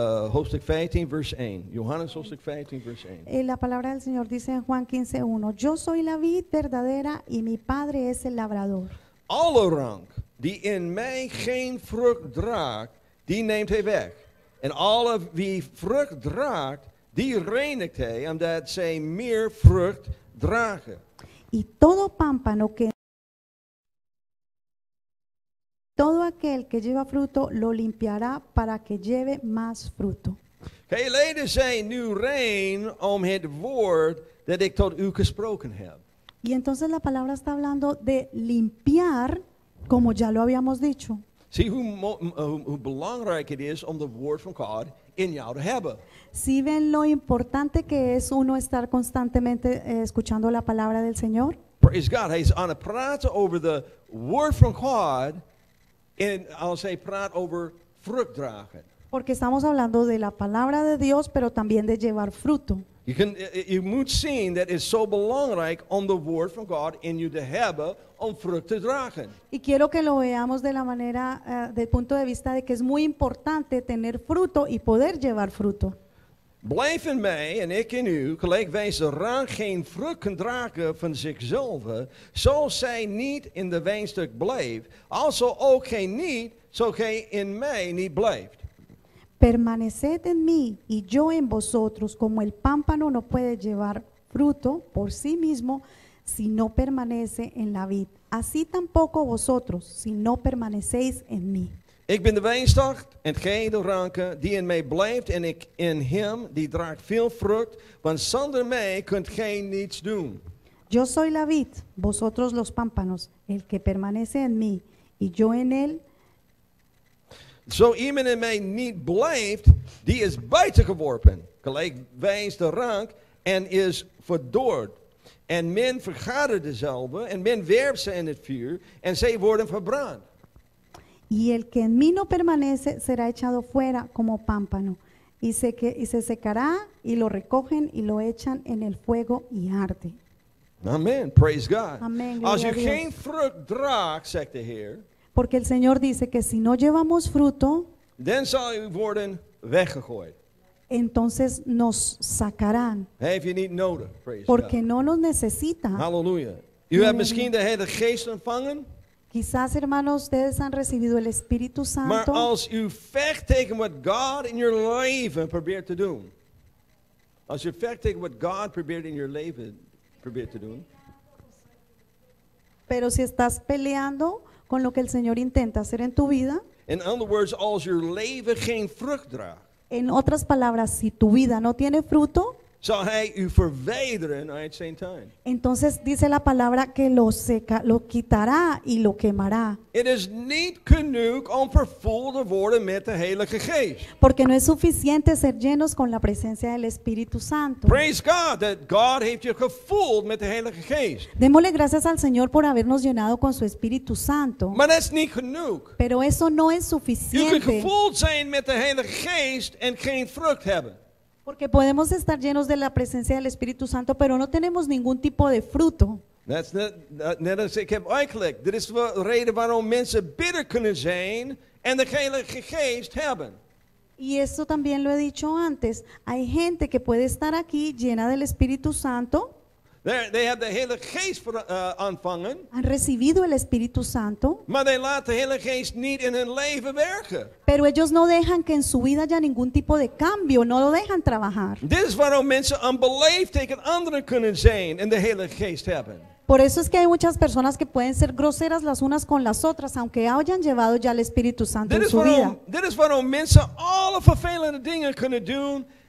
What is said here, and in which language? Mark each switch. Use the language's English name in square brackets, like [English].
[Dutch] Hoofdstuk 15, vers 1. Johannes hoofdstuk 15, vers 1. [Spanish] La palabra del Señor dice en Juan 15, 1. Yo soy la vid verdadera y mi padre es el labrador. [Dutch] Alle rank die in mij geen vrucht draagt, die neemt hij weg. En alle wie vrucht draagt, die reinigt hij, omdat zij meer vrucht dragen. [Spanish] Y todo pámpano que... Todo aquel que lleva fruto lo limpiará para que lleve más fruto. [Dutch] Hey, leden zijn nu rein om het woord dat ik tot u gesproken heb. [Spanish] Y entonces la palabra está hablando de limpiar, como ya lo habíamos dicho. [Dutch] Zie hoe belangrijk het is om het woord van God in jou te hebben. [Spanish] Si ven lo importante que es uno estar constantemente escuchando la palabra del Señor. [English] Praise God, [Dutch] hij is aan het praten over [English] the word from God. [Dutch] En als hij praat over vrucht dragen. [Spanish] Porque estamos hablando de la palabra de Dios, pero también de llevar fruto. [Dutch] You moet zien dat het zo belangrijk om de woord van God in je te hebben om vrucht te dragen. [Spanish] Y quiero que lo veamos de la manera, del punto de vista de que es muy importante tener fruto y poder llevar fruto. [Dutch] Blijf in mij en ik in u, gelijk wij ze raar geen vrucht kunnen dragen van zichzelf, zo zij niet in de wijnstok blijft, also ook gij niet, zo gij in mij niet blijft. [Spanish] Permaneced en mí y yo en vosotros, como el pámpano no puede llevar fruto por sí mismo si no permanece en la vid, así tampoco vosotros si no permanecéis en mí. [Dutch] Ik ben de wijnstok en gij de ranken, die in mij blijft en ik in hem, die draagt veel vrucht, want zonder mij kunt gij niets doen. [Spanish] Yo soy la vid, vosotros los pámpanos, el que permanece en mí, y yo en él. [Dutch] Zo iemand in mij niet blijft, die is buitengeworpen, gelijk wijs de rank en is verdord. En men vergadert dezelfde en men werpt ze in het vuur en zij worden verbrand. [Spanish] Y el que en mí no permanece será echado fuera como pámpano y se secará y lo recogen y lo echan en el fuego y arde. [English] Amen. Praise God. Amen. [Dutch] Als je geen vrucht draagt, zegt de Heer. [Spanish] Porque el Señor dice que si no llevamos fruto, [Dutch] dan zal je worden weggegooid. [Spanish] Entonces nos sacarán. [Dutch] Heeft je niet nodig. Praise God. [Spanish] Porque no nos necesita. Halleluja. [Dutch] U hebt misschien de Heilige Geest ontvangen. [Spanish] Quizás, hermanos, ustedes han recibido el Espíritu Santo. [Dutch] Maar als u vecht tegen wat God in je leven probeert te doen. Als u vecht tegen wat God probeert in je leven probeert te doen. [Spanish] Pero si estás peleando con lo que el Señor intenta hacer en tu vida. [English] In other words, [Dutch] als je leven geen vrucht draagt. [Spanish] En otras palabras, si tu vida no tiene fruto. [Dutch] Zal hij u verwijderen uit zijn tuin. [Spanish] Entonces dice la palabra que lo seca, lo quitará y lo quemará. [Dutch] Het is niet genoeg om vervuld te worden met de Heilige Geest. [Spanish] Porque no es suficiente ser llenos con la presencia del Espíritu Santo. [English] Praise God that God [Dutch] heeft je gevuld met de Heilige Geest. [Spanish] Démosle gracias al Señor por habernos llenado con su Espíritu Santo. [Dutch] Maar dat is niet genoeg. [Spanish] Pero eso no es suficiente. [Dutch] Je kunt gevuld zijn met de Heilige Geest en geen vrucht hebben. [Spanish] Porque podemos estar llenos de la presencia del Espíritu Santo, pero no tenemos ningún tipo de fruto. [Dutch] Dat is net als ik heb uitgelegd. Dit is de reden waarom mensen bitter kunnen zijn en de Heilige Geest hebben. [Spanish] Y esto también lo he dicho antes. Hay gente que puede estar aquí llena del Espíritu Santo. [English] They have the Heilige Geest for, ontvangen. [Spanish] Han recibido el Espíritu Santo. [Dutch] Maar they laat de Heilige Geest niet in hun leven werken. [Spanish] Pero ellos no dejan que en su vida haya ningún tipo de cambio. No lo dejan trabajar. [Dutch] Dit is waarom mensen onbeleefd tegen anderen kunnen zijn en de Heilige Geest hebben. [Spanish] Por eso es que hay muchas personas que pueden ser groseras las unas con las otras, aunque hayan llevado ya el Espíritu Santo en su vida. [Dutch] Dit is waarom mensen alle vervelende dingen kunnen doen.